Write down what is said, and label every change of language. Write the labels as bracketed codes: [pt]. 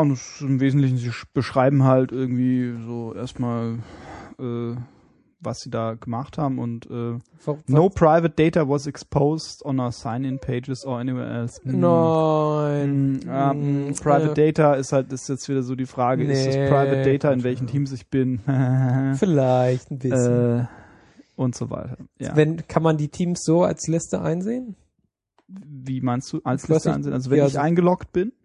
[de] Und im Wesentlichen, sie beschreiben halt irgendwie so erstmal, was sie da gemacht haben. [en] Und no private data was exposed on our sign-in pages or anywhere else. [de] Nein. Private data ist jetzt wieder so die Frage, ist das [en] private data, [de] in welchen Teams ich bin? Vielleicht ein bisschen. Und so weiter. Ja. Kann man die Teams so als Liste einsehen? Wie meinst du, als Liste einsehen? Also wenn ich eingeloggt bin?